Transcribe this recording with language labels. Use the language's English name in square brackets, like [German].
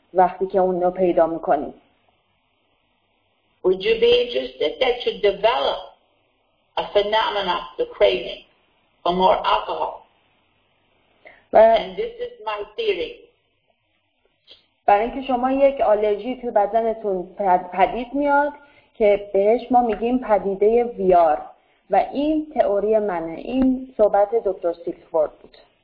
[Persian] وقتی که اون رو پیدا میکنید. [English] Would you be interested that you develop a phenomenon of the craving for more alcohol? And this is my theory. [Persian] برای اینکه شما یک آلرژی تو بدنتون پدید میاد که بهش ما میگیم پدیده ویار و این تئوری منه، این صحبت دکتر سیلفورد بود.